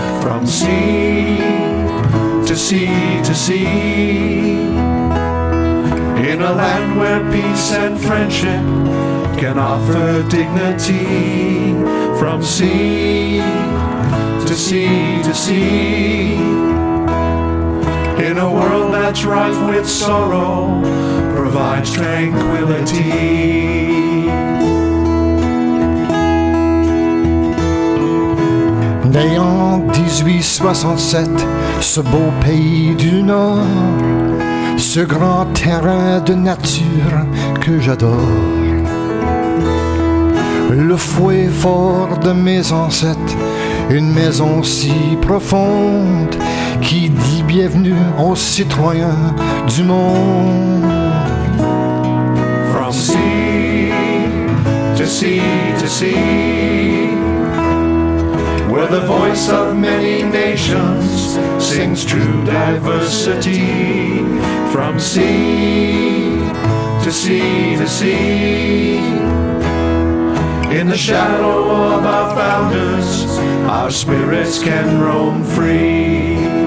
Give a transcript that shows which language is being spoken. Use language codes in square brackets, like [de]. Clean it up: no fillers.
[en] From sea to sea to sea, in a land where peace and friendship can offer dignity. From sea to sea to sea, in a world that's rife with sorrow, provides tranquility. [fr] Né en 1867, ce beau pays du Nord, ce grand terrain de nature que j'adore, le fouet fort de mes ancêtres, une maison si profonde qui dit bienvenue aux citoyens du monde. [en] From sea to sea to sea, where the voice of many nations sings true diversity. From sea to sea to sea, in the shadow of our founders, our spirits can roam free.